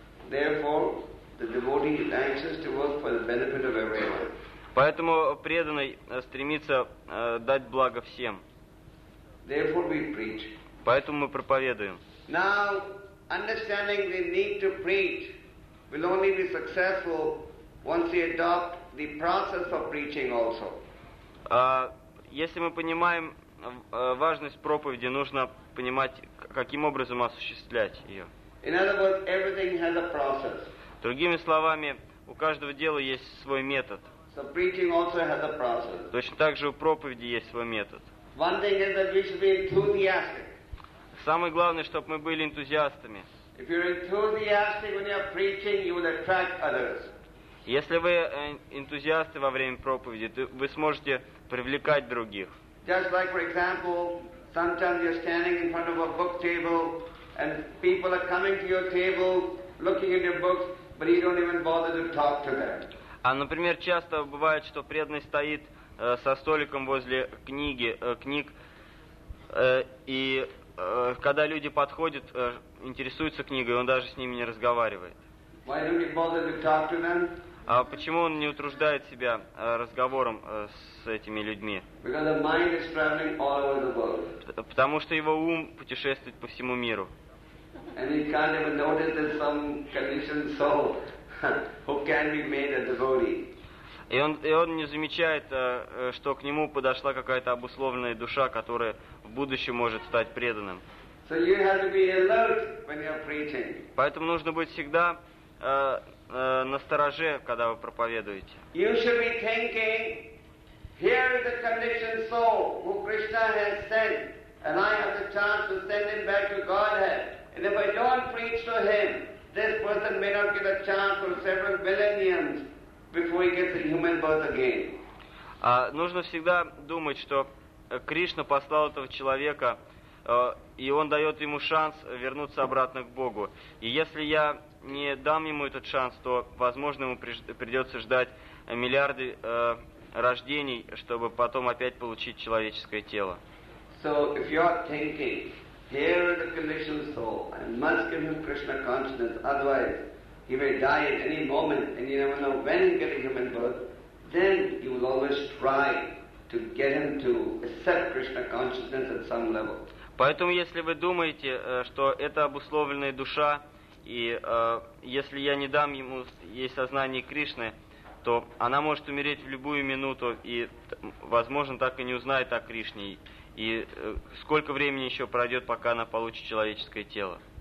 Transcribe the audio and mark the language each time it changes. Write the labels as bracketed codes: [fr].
[en] Therefore, the devotee is anxious to work for the benefit of everyone. [ru] Поэтому преданный стремится дать благо всем. [en] Therefore, we preach. [ru] Поэтому мы проповедуем. [en] Now, understanding the need to preach will only be successful once we adopt the process of preaching also. [ru] Если мы понимаем важность проповеди, нужно понимать, каким образом осуществлять ее. [en] In other words, everything has a process. [ru] Другими словами, у каждого дела есть свой метод. [en] So preaching also has a process. [ru] Точно так же у проповеди есть свой метод. [en] One thing is that we should be enthusiastic. [ru] Самое главное, чтобы мы были энтузиастами. [en] If you're enthusiastic when you're preaching, you will attract others. [ru] Если вы энтузиасты во время проповеди, вы сможете привлекать других. [en] Just like, for example, sometimes you're standing in front of a book table and people are coming to your table looking at your books, but you don't even bother to talk to them. [ru] А, например, часто бывает, что преданный стоит со столиком возле книг, и когда люди подходят, интересуются книгой, он даже с ними не разговаривает. [en] Why don't you bother to talk to them? [ru] А почему он не утруждает себя разговором с этими людьми? [en] Because the mind is traveling all over the world. [ru] Потому что его ум путешествует по всему миру. [en] And he can't even notice that some conditioned soul who can be made a devotee. [ru] И он не замечает, что к нему подошла какая-то обусловленная душа, которая в будущем может стать преданным. [en] So you have to be alert when you're preaching. [ru] Поэтому нужно быть всегда настороже, когда вы проповедуете. [en] You should be thinking, here is the conditioned soul who Krishna has sent, and I have the chance to send him back to Godhead. And if I don't preach to him, this person may not get a chance for several millenniums before he gets a human birth again. [ru] Нужно всегда думать, что Кришна послал этого человека, и он дает ему шанс вернуться обратно к Богу. И если я не дам ему этот шанс, то, возможно, ему придется ждать миллиарды рождений, чтобы потом опять получить человеческое тело. [en] So if you are thinking, here is the conditioned soul, I must give him Krishna consciousness, otherwise he may die at any moment and you never know when he gets a human birth, then you will always try to get him to accept Krishna consciousness at some level. [ru] Поэтому, если вы думаете, что это обусловленная душа, и если я не дам ему ей сознание Кришны, то она может умереть в любую минуту, и, возможно, так и не узнает о Кришне. И сколько времени еще пройдет, пока она получит человеческое тело?